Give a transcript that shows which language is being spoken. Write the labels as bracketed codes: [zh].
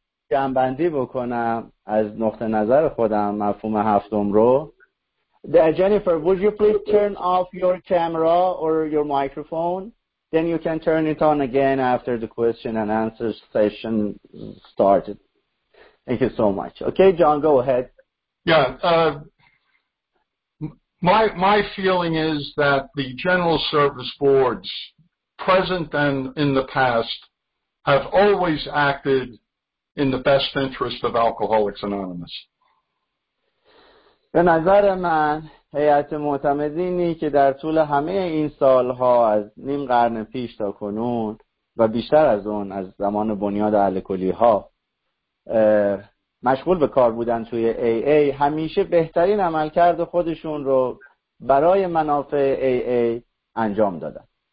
[fa] جمع‌بندی بکنم از نقطه نظر خودم مفهوم هفتم رو. [en] Jennifer, would you please turn off your camera or your microphone? Then you can turn it on again after the question and answer session started. Thank you so much. Okay, John, go ahead. Yeah. My feeling is that the General Service Boards, present and in the past, have always acted in the best interest of Alcoholics Anonymous. [fa] به نظر من هیئت معتمدینی که در طول همه این سالها از نیم قرن پیش تا کنون و بیشتر از اون از زمان بنیاد الکلی‌ها مشغول به کار بودن توی AA همیشه بهترین عملکرد خودشون رو برای منافع AA انجام دادن.